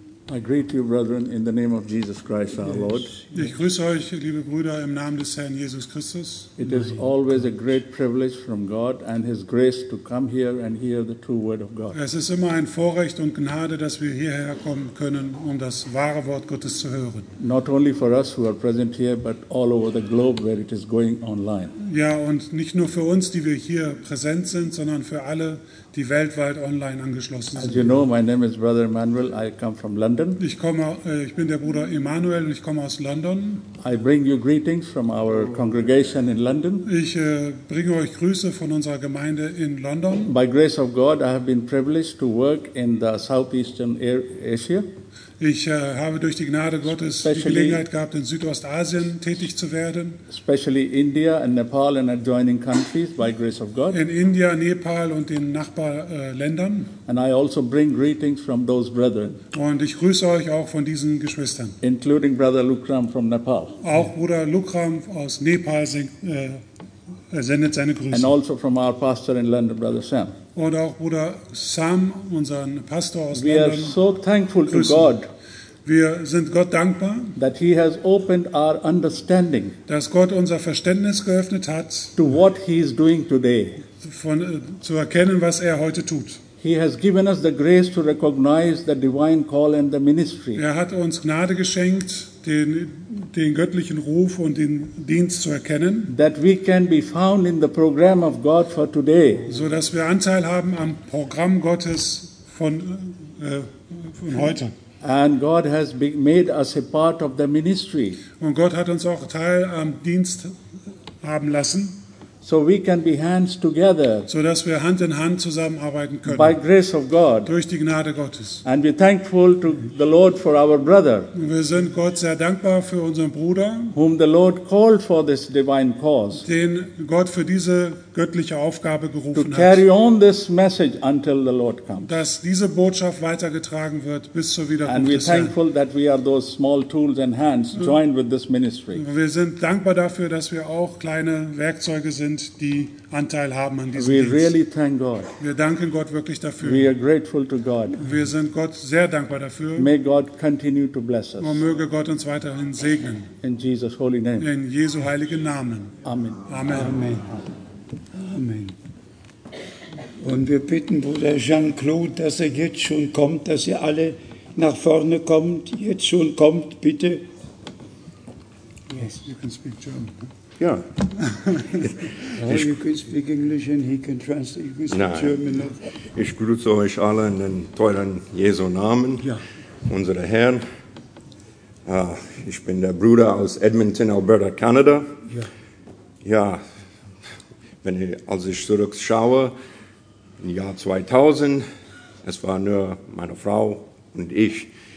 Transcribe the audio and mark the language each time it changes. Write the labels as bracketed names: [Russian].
[English] I greet you, brethren, in the name of Jesus Christ, our Lord. [German] Ich grüße euch, liebe Brüder, im Namen des Herrn Jesus Christus. [English] It is always a great privilege from God and His grace to come here and hear the true word of God. [German] Es ist immer ein Vorrecht und Gnade, dass wir hierher kommen können, um das wahre Wort Gottes zu hören. [English] Not only for us who are present here, but all over the globe where it is going online. [German] Ja, und nicht nur für uns, die wir hier präsent sind, sondern für alle, die weltweit online angeschlossen sind. [English] As you know, my name is Brother Emmanuel. I come from London. [German] Ich bin der Bruder Emmanuel und ich komme aus London. [English] I bring you greetings from our congregation in London. [German] Ich bringe euch Grüße von unserer Gemeinde in London. [English] By grace of God, I have been privileged to work in the southeastern Asia. [German] Ich habe durch die Gnade Gottes especially, die Gelegenheit gehabt, in Südostasien tätig zu werden. [English] Especially India and Nepal and adjoining countries, by grace of God. [German] In India, Nepal und den Nachbarländern. [English] And I also bring greetings from those brethren. [German] Und ich grüße euch auch von diesen Geschwistern. [English] Including Brother Lukram from Nepal. [German] Auch Bruder Lukram aus Nepal sendet seine Grüße. [English] And also from our pastor in London, Brother Sam. [German] Und auch Bruder Sam, unseren Pastor aus [English] London. We are so thankful to God. [German] Wir sind Gott dankbar, [English] that he has opened our understanding, [German] dass Gott unser Verständnis geöffnet hat, [English] to what he is doing today. [German] Zu erkennen, was er heute tut. [English] He has given us the grace to recognize the divine call and the ministry. [German] Er hat uns Gnade geschenkt, den göttlichen Ruf und den Dienst zu erkennen, [English] that we can be found in the program of God for today, [German] so dass wir Anteil haben am Programm Gottes von heute. [English] And God has made us a part of the ministry. [German] Und Gott hat uns auch Teil am Dienst haben lassen. [English] So we can be hands together. [German] So dass wir Hand in Hand zusammenarbeiten können. [English] By grace of God. [German] Durch die Gnade Gottes. [English] And we're thankful to the Lord for our brother. [German] Und wir sind Gott sehr dankbar für unseren Bruder. [English] Whom the Lord called for this divine cause. [German] Den Gott für diese göttliche Aufgabe gerufen [English] hat. To carry on this message until the Lord comes. [German] Dass diese Botschaft weitergetragen wird bis zur Wiederkunft des [English] Herrn. And we're thankful that we are those small tools and hands joined with this ministry. [German] Wir sind dankbar dafür, dass wir auch kleine Werkzeuge sind. Die Anteil haben an diesem [English] we [German] Dienst. [English] Really thank God. [German] Wir danken Gott wirklich dafür. [English] We are grateful to God. [German] Wir sind Gott sehr dankbar dafür. [English] May God continue to bless us. [German] Und möge Gott uns weiterhin segnen. [English] In Jesus' holy name. [German] In Jesu heiligen Namen. Amen. Amen. Amen. Amen. Und wir bitten Bruder Jean-Claude, dass er jetzt schon kommt, dass ihr alle nach vorne kommt. Jetzt schon kommt, bitte. [English] Yes, you can speak German. [German] Ja. [English] Oh, you can speak English and he can translate. You can speak German. [German] Ich grüße euch alle in den teuren Jesu Namen, ja. Unsere Herren. Ich bin der Bruder aus Edmonton, Alberta, Kanada. Ja. Ja, wenn ich, als ich zurückschaue, im Jahr 2000, es war nur meine Frau und ich.